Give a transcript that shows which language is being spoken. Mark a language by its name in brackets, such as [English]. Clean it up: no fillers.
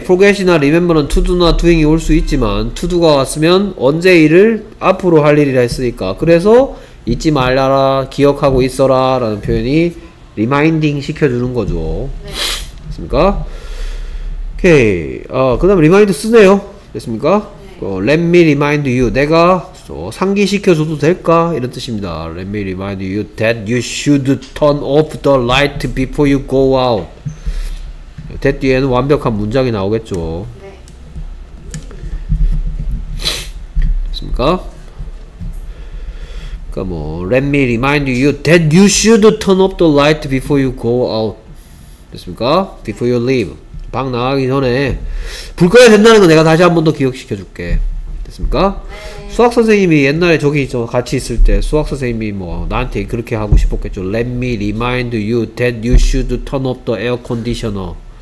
[Korean] Forget이나 remember는 to do나 doing이 올 수 있지만 to do가 왔으면 언제 일을 앞으로 할 일이라 했으니까 그래서 잊지 말라라 기억하고 있어라 라는 표현이 리마인딩 시켜주는 거죠. 네. 됐습니까? 오케이. 어, 그 다음에 리마인드 쓰네요. [English] 됐습니까? 네. 어, let me remind you. [Korean] 내가 어, 상기시켜줘도 될까? 이런 뜻입니다. [English] Let me remind you that you should turn off the light before you go out. [Korean] That 뒤에는 완벽한 문장이 나오겠죠. 네. 됐습니까? [English] 그니까 뭐 Let me remind you that you should turn off the light before you go out. 됐습니까? Before you leave. [Korean] 방 나가기 전에 불 꺼야 된다는 거 내가 다시 한 번 더 기억시켜 줄게. 됐습니까? 네. 수학 선생님이 옛날에 저기 저 같이 있을 때 수학 선생님이 뭐 나한테 그렇게 하고 싶었겠죠. [English] Let me remind you that you should turn off the air conditioner.